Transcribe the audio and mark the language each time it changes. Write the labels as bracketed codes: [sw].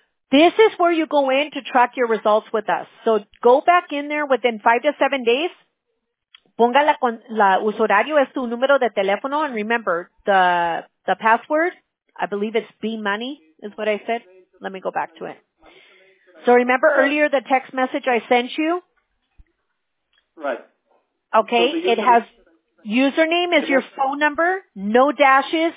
[en] This is where you go in to track your results with us. So go back in there within 5 to 7 days. [es] Ponga la usuario es tu número de teléfono. [en] And remember, the password, I believe it's BMoney is what I said. Let me go back to it. So remember earlier the text message I sent you? Right. Okay. So it has username is your phone number. No dashes.